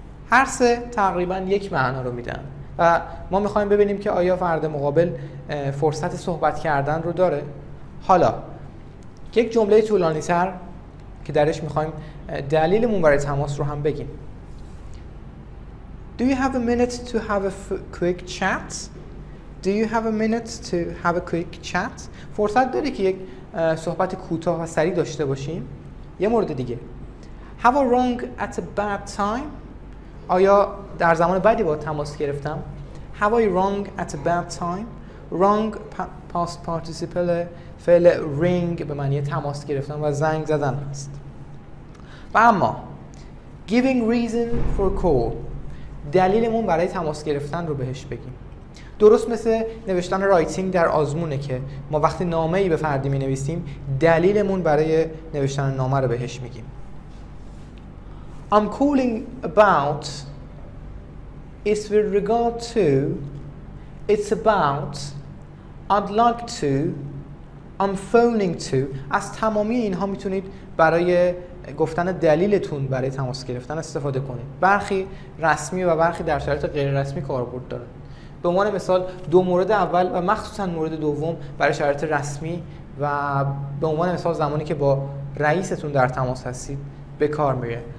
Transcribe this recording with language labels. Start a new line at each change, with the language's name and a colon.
Persian: هر سه تقریبا یک معنا رو میدن و ما میخوایم ببینیم که آیا فرد مقابل فرصت صحبت کردن رو داره. حالا یک جمله طولانی تر که درش میخوایم دلیلمون برای تماس رو هم بگیم.
English: Do you have a minute to have a quick chat? Do you have a minute to have a quick chat?
Persian: فرصت داری که یک صحبت کوتاه و سریع داشته باشیم؟ یه مورد دیگه.
English: Have I rung at a bad time?
Persian: آیا در زمان بدی با تماس گرفتم؟
English: Have I rung at a bad time? Rung past participle
Persian: فعل ring به معنی تماس گرفتم و زنگ زدن است. و اما
English: giving reason for call
Persian: دلیلمون برای تماس گرفتن رو بهش بگیم. درست مثل نوشتن رایتینگ در آزمونه که ما وقتی نامه‌ای به فردی می‌نویسیم دلیلمون برای نوشتن نامه رو بهش میگیم.
English: I'm calling about it's with regard to it's about I'd like to I'm phoning to.
Persian: از تمامی اینها میتونید برای گفتن دلیلتون برای تماس گرفتن استفاده کنید. برخی رسمی و برخی در شرایط غیر رسمی کاربرد دارن. به عنوان مثال دو مورد اول و مخصوصا مورد دوم برای شرایط رسمی و به عنوان مثال زمانی که با رئیستون در تماس هستید به کار میره.